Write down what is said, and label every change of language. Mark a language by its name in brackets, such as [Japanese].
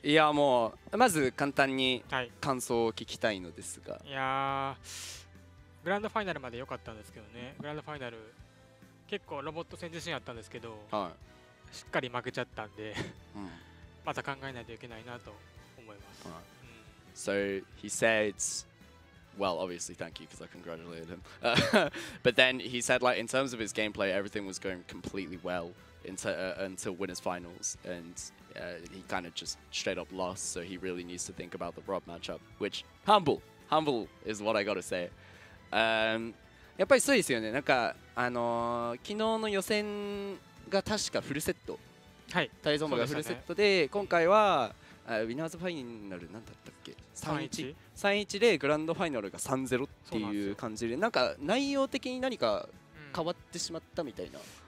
[Japanese] いやもうまず簡単に感想を聞きたいのですが、いやグランドファイナルまで良かったんですけどね。グランドファイナル結構ロボット戦自身あったんですけど、はい、しっかり負けちゃったんで、うん、また考えないといけないなと思います、はい、うん、 [English] So he says, well obviously thank you because I congratulated him but then he said like in terms of his gameplay everything was going completely well until winners finals andhe kind of just straight up lost, so he really needs to think about the Rob matchup, which humble, humble is what I gotta say. [Japanese] やっぱりそうですよね。なんか昨日の予選が確かフルセット、はい、タイゾンバがフルセットで、今回はウィナーズファイナルなんだったっけ、3-1でグランドファイナルが 3-0 っていう感じで、なんか内容的に何か変わってしまったみたいな、